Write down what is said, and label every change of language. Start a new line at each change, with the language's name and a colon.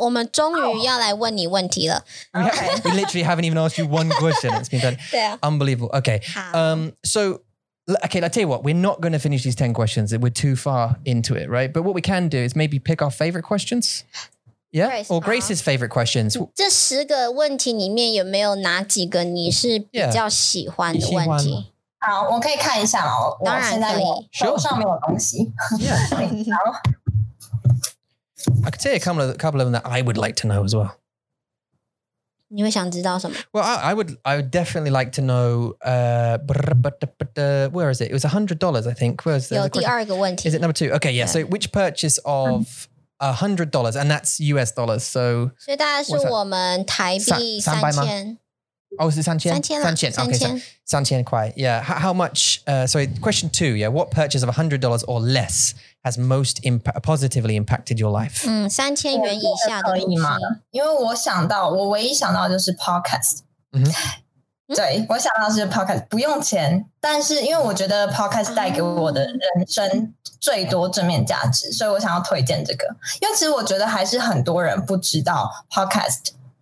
Chinese: 我们终于要来问你问题了
English: We literally haven't even asked you one question It's been done Unbelievable, okay So, I tell you what We're not going to finish these 10 questions We're too far into it, right? But what we can do is maybe pick our favorite questions Yeah, Grace, or Grace's favorite questions
Chinese: 这十个问题里面有没有哪几个你是比较喜欢的问题好，我可以看一下哦。当然可以，手上没有东西。
English: Sure. I could say a couple of them that I would like to know as well.
Chinese: 你会想知道什么
English: ？Well, I would definitely like to know. Where is it? It was $100, I think. Where's the
Chinese: 有第二个问题
English: ？Is it number two? Okay, yeah. So which purchase of $100 and that's US dollars? So
Chinese: 所以大概是我们台币三千。
English: Oh, is it 3,000? 3,000. Okay, so 3,000 quite. Yeah. How much? Sorry, question two. Yeah. What purchase of $100 or less has most positively impacted your life?
Chinese: 3,000元以下的东西，因为我唯一想到就是 podcast. 对，我想到是 podcast， 不用钱。但是因为我觉得 podcast 带给我的人生最多正面价值，所以我想要推荐这个。因为其实我觉得还是很多人不知道 podcast。